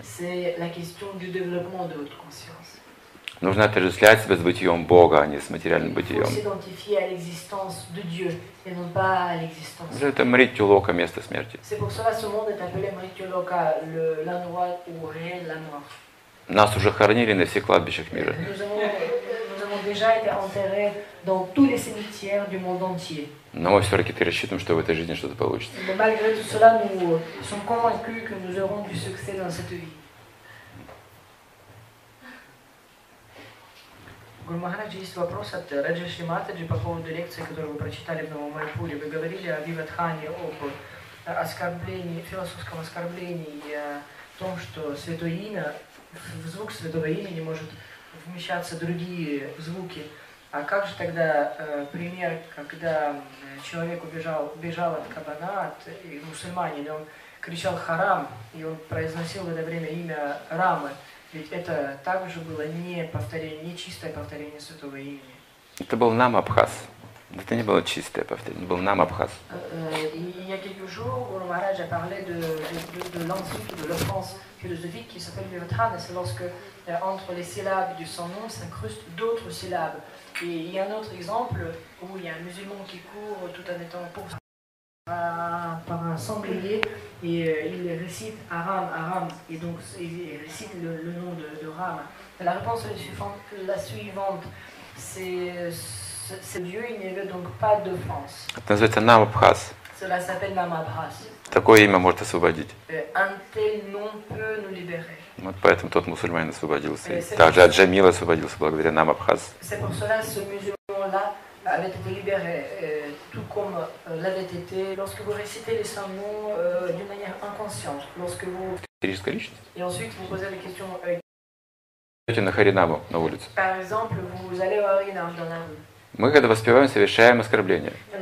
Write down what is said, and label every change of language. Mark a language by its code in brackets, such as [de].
[fr] C'est la question du développement de votre conscience. [ru] Нужно отождествлять себя с бытием Бога, а не с материальным бытием. [fr] Il faut s'identifier à l'existence de Dieu et non pas à l'existence. [ru] Это Мритюлока, место смерти. [fr] C'est pour cela que ce monde est appelé Mrityuloka, l'endroit où règne la mort. [ru] Нас уже хоронили на всех кладбищах мира. [fr] Nous avons déjà été enterrés dans tous les cimetières du monde entier. [ru] Но мы все-таки рассчитываем, что в этой жизни что-то получится. [fr] Malgré tout cela, nous sommes convaincus que nous aurons du succès dans cette vie. [ru] Гуру Махарадж, есть вопрос от Раджеши Матаджи по поводу лекции, которую вы прочитали в Новом Майпуре. Вы говорили о Виватхане, об оскорблении, философском оскорблении, о том, что святое имя, в звук святого имени может вмещаться другие звуки. А как же тогда пример, когда человек бежал от кабана, от мусульманина, он кричал «Харам», и он произносил в это время имя Рамы. Ведь это также было не повторение, не чистое повторение святого имени. Это был Нам-Абхаз. Это не было чистое повторение, это был Нам-Абхаз. [fr] Il y a quelques jours, Гуру Махарадж a parlé de l'antique, de l'offense philosophique qui s'appelle Vivatthana. C'est lorsque entre les syllabes du son nom s'incrustent d'autres syllabes. Et il y a un autre exemple où il y a un musulman qui court tout en étant poursuivi par un sanglier et il récite Aram, Aram, et donc il récite le nom de Ram. La réponse est la suivante, c'est Dieu, il n'y avait donc pas de France. Cela s'appelle Nam-Abhas. [ru] Такое имя может освободить. [fr] Un tel nom peut nous libérer. [ru] Вот поэтому тот мусульманин освободился. И также Аджамил освободился благодаря Нам-Абхаз. [fr] C'est pour cela que ce musulman-là avait été libéré, tout comme l'avait été lorsque vous récitez les saints noms d'une manière inconsciente. Lorsque vous... Et ensuite, vous posez la question... [ru] Идете на Харинаму, на улицу. [fr] Par exemple, vous allez au Харинам, dans la rue. [ru] Мы, когда воспеваем, совершаем оскорбление.